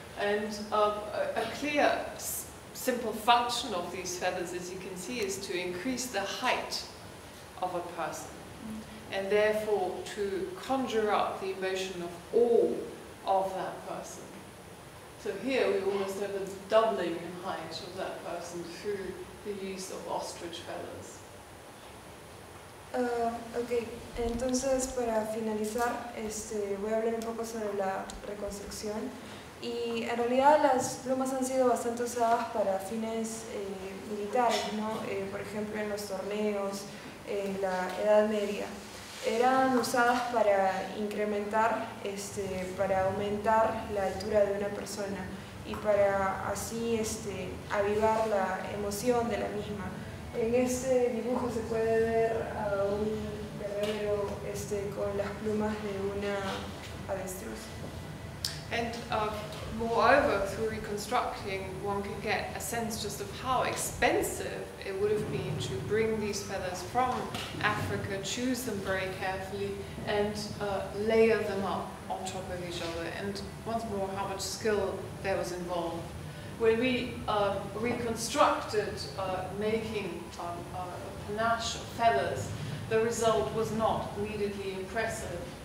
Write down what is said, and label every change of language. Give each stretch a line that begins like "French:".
English: And a clear, simple function of these feathers, as you can see, is to increase the height of a person and therefore to conjure up the emotion of awe of that person. So here we almost have a doubling in height of that person through the use of ostrich feathers.
Spanish: Okay, entonces para finalizar voy a hablar un poco sobre la reconstrucción y en realidad las plumas han sido bastante usadas para fines militares, ¿no? Por ejemplo en los torneos, en la Edad Media. Eran usadas para incrementar, para aumentar la altura de una persona y para así avivar la emoción de la misma. En este dibujo se puede ver a un guerrero con las plumas de una avestruz.
English: And moreover, through reconstructing, one can get a sense just of how expensive it would have been to bring these feathers from Africa, choose them very carefully, and layer them up on top of each other. And once more, how much skill there was involved. When we reconstructed making a panache of feathers, the result was not immediately impressive.